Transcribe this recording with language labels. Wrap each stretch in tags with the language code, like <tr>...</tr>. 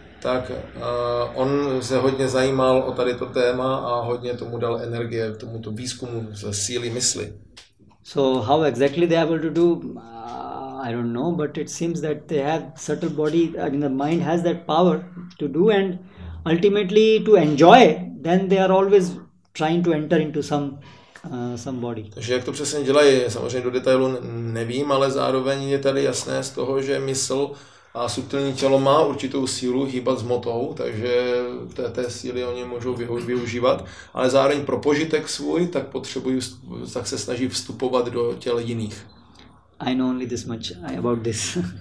<cs>Tak on se hodně zajímal o tady to téma a hodně tomu dal energie k tomuto výzkumu ze síly mysli.</cs> <en>So how exactly they able to do I don't know, but it seems that they have subtle body, I mean the mind has that power to do and ultimately to enjoy, then they are always trying to enter into some body.</en> <cs>Takže jak to přesně dělají, samozřejmě do detailu nevím, ale zároveň je tady jasné z toho, že mysl a subtilní tělo má určitou sílu hýbat s motou, takže té síly oni můžou využívat, ale zároveň pro požitek svůj, tak potřebují, tak se snaží vstupovat do těl jiných.</cs> <en>I know only this much about this.</en>